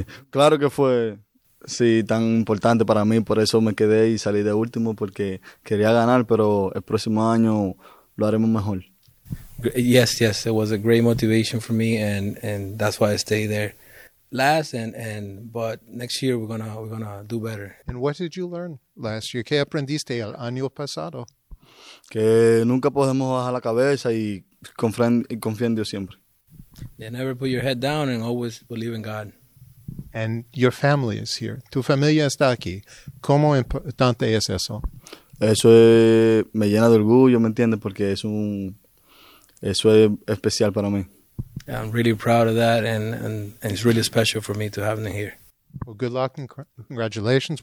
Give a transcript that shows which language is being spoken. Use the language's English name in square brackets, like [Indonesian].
[Spanish] Claro que fue, sí, tan importante para mí. Por eso me quedé y salí de último, porque quería ganar, pero el próximo año lo haremos mejor. [English] Yes, yes, it was a great motivation for me, and that's why I stayed there. Last and but next year we're gonna do better. And what did you learn last year? [Spanish] ¿Qué aprendiste el año pasado? Que nunca podemos bajar la cabeza y confiar en Dios siempre. [English] Yeah, never put your head down and always believe in God. And your family is here. [Spanish] Tu familia está aquí. ¿Cómo importante es eso? Eso es, me llena de orgullo, ¿me entiendes? Porque es un eso es especial para mí. [English] Yeah, I'm really proud of that, and it's really special for me to have them here. Well, good luck and congratulations.